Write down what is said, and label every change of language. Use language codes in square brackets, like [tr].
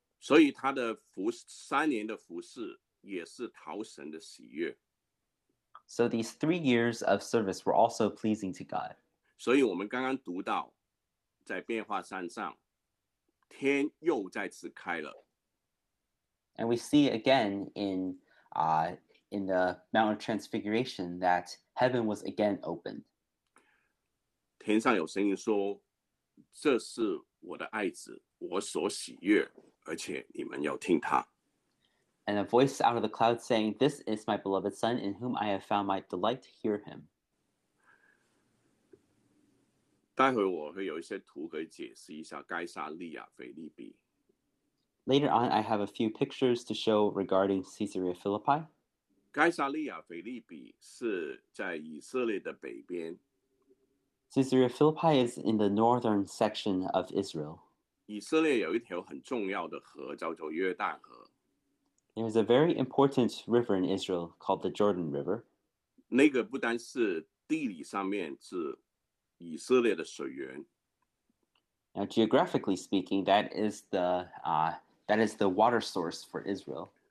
[zh] 所以他的服3 [en] years [zh] 的服事也是讨神的喜悦。 [en] So these 3 years of service were also pleasing to God. [zh] 所以我们刚刚读到，在变化山上，天又再次开了。 [en] And we see again in the Mount of Transfiguration that heaven was again opened. [zh] 天上有声音说，这是我的爱子，我所喜悦，而且你们要听他。 [en] And a voice out of the cloud saying, this is my beloved son in whom I have found my delight to hear him. [zh] 待会我会有一些图可以解释一下该撒利亚腓立比。 [en] Later on, I have a few pictures to show regarding Caesarea Philippi. [zh] 该撒利亚腓立比是在以色列的北边。 [en] Caesarea Philippi is in the northern section of Israel. [zh] 以色列有一条很重要的河叫做约旦河。 [en] There is a very important river in Israel called the Jordan River. [zh] 那个不单是地理上面是以色列的水源。 [en] Now, geographically speaking, that is the water source for Israel.